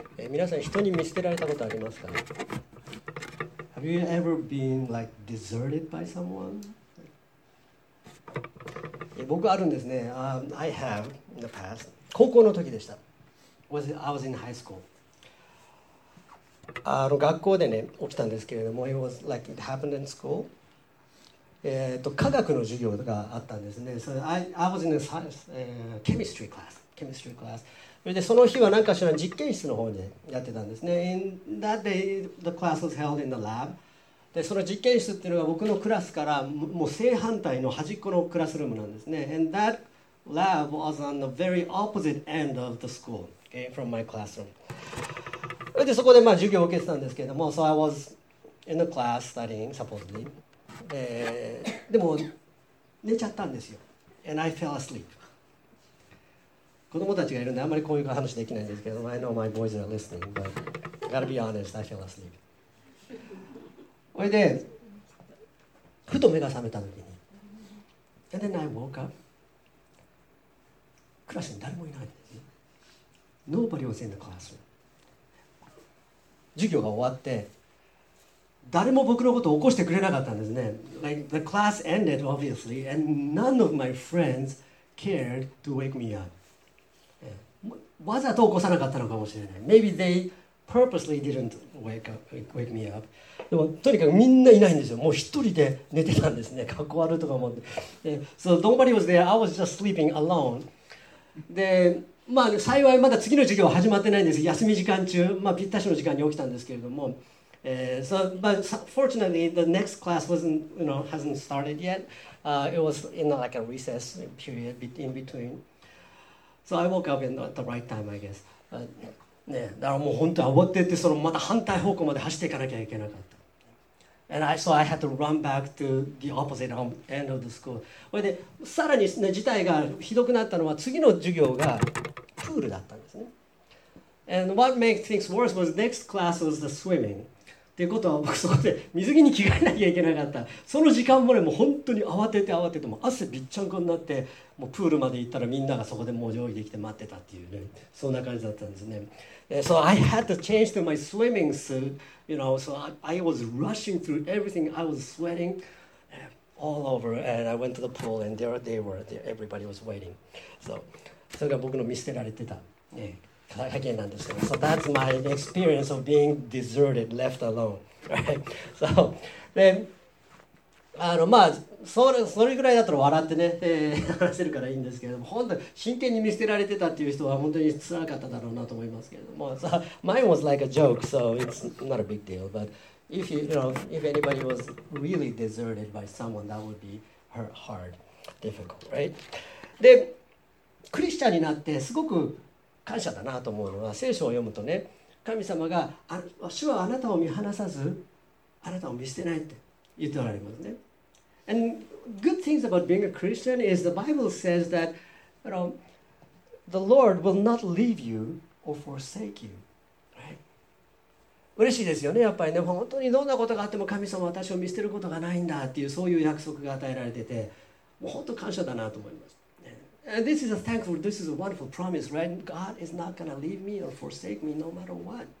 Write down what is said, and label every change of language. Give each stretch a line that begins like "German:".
Japanese: 皆さん人に見捨てられたことありますかね。
English: Have you ever been like deserted by someone?
Japanese: 僕あるんですね。
English: I have in the past.
Japanese: 高校の時でした。
English: Was it, I was in high school.
Japanese: 学校でね起きたんですけれども、
English: it was like it happened in school.
Japanese: 科学の授業があったんですね。
English: So I was in a chemistry class. Chemistry class.
Japanese: でその日は何かしら実験室の方でやってたんですね。
English: In that day, the class was held in the lab.
Japanese: でその実験室っていうのが僕のクラスからもう正反対の端っこのクラスルームなんですね。
English: And that lab was on the very opposite end of the school, okay, from my classroom.
Japanese: でそこでまあ授業を受けてたんですけれども、
English: So I was in the class studying, supposedly.
Japanese: でも寝ちゃったんですよ。
English: And I fell asleep.
Japanese: 子供たちがいるんであんまりこういう話できないんですけど、
English: I know my boys are listening, but gotta be honest, I fell asleep.
Japanese: それでふと目が覚めた時に、
English: And then I woke up.
Japanese: クラスに誰もいないんです。
English: Nobody was in the classroom.
Japanese: 授業が終わって誰も僕のことを起こしてくれなかったんですね。
English: Like the class ended, obviously, and none of my friends cared to wake me up.
Japanese: わざと起こさなかったのかもしれない。
English: Maybe they purposely didn't wake me up.
Japanese: でもとにかくみんないないんですよ。もう一人で寝てたんですね。格好悪いとか思って。
English: So nobody was there. I was just sleeping alone.
Japanese: で、まあ幸いまだ次の授業は始まってないんです。休み時間中、まあぴったしの時間に起きたんですけれども。
English: So but fortunately the next class wasn't, you know, hasn't started yet. It was in like a recess period in between. So I woke up at the right time, I guess.
Japanese: ね、だからもう本当に慌てて、そのまた反対方向まで走っていかなきゃいけなかった。
English: And I, so I had to run back to the opposite end of the school.
Japanese: それで、さらに、ね、事態がひどくなったのは、次の授業がプールだったんですね。
English: And what makes things worse was next class was the swimming.
Japanese: っていうことは、僕そこで水着に着替えなきゃいけなかった。その時間もね、もう本当に慌てて、もう汗びっちゃんこになって、もうプールまで行ったらみんながそこでもう上位できて待ってたっていうね、そんな感じだったんですね。
English: So I had to change to my swimming suit, you know, so I was rushing through everything, I was sweating all over, and I went to the pool, and there they were, there, everybody was waiting. So,
Japanese: それが僕の見捨てられてた、影なんですけど、
English: So that's my experience of being deserted, left alone, right? So, then,
Japanese: まあ、それぐらいだったら笑ってね、話せるからいいんですけれども、本当に真剣に見捨てられてたっていう人は本当につらかっただろうなと思いますけれども、
English: so, mine was like a joke, so it's not a big deal. But if you, you know, if anybody was really deserted by someone, that would be hard, difficult, right?
Japanese: で、クリスチャンになってすごく感謝だなと思うのは、聖書を読むとね、神様が、主はあなたを見放さず、あなたを見捨てないって。言っておられますね。
English: And good things about being a Christian is the Bible says that, you know, the Lord will not leave you or forsake you.
Japanese: Right? 嬉しいですよね。やっぱりね、本当にどんなことがあっても神様は私を見捨てることがないんだっていう、そういう約束が与えられてて、もう本当感謝だなと思います。
English: And this is a thankful, this is a wonderful promise, right? God is not going to leave me or forsake me no matter what.